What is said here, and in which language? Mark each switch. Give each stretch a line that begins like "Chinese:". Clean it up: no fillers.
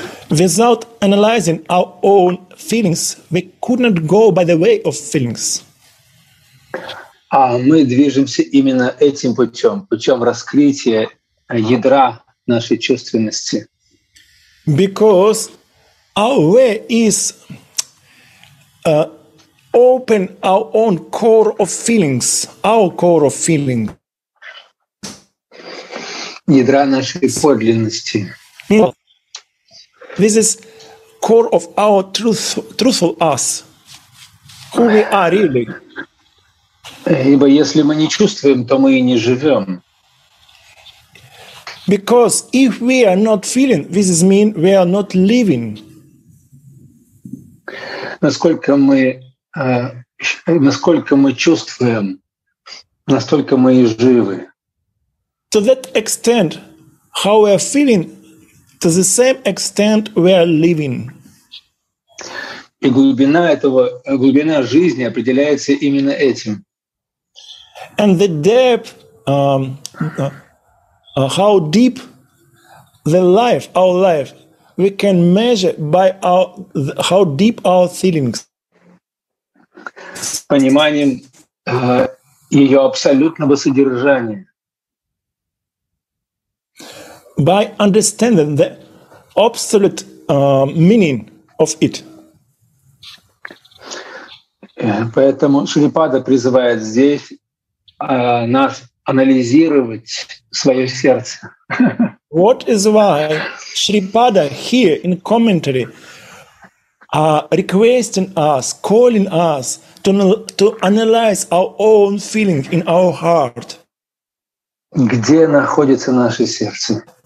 English: Without analyzing our own feelings, we could not go by the way of feelings.
Russian: А мы движемся именно этим путем, путем раскрытия ядра нашей чувственности.
English: Because our way is open our own core of feelings, our core of feeling.
Russian: Ядра нашей подлинности.
English: This is core of our truthful us, who we are really.
Russian: Ибо если мы не чувствуем, то мы и не живем.
English: Because if we are not feeling, this is mean we are not living.
Russian: Насколько мы чувствуем, настолько мы и живы.
English: To that extent, how we are feeling, to the same extent we are living.
Russian: И глубина жизни определяется именно этим.
English: And the depth, how deep the life, our life, we can measure by our how deep our feelings.
Russian: С пониманием ее абсолютного содержания.
English: By understanding the absolute meaning of it.
Russian: Поэтому Шрипада призывает здесь нас анализировать свое сердце.
English: What is why Шрипада here in commentary requesting us, calling us to analyze our own feeling in our heart.
Russian: Где находится наше сердце?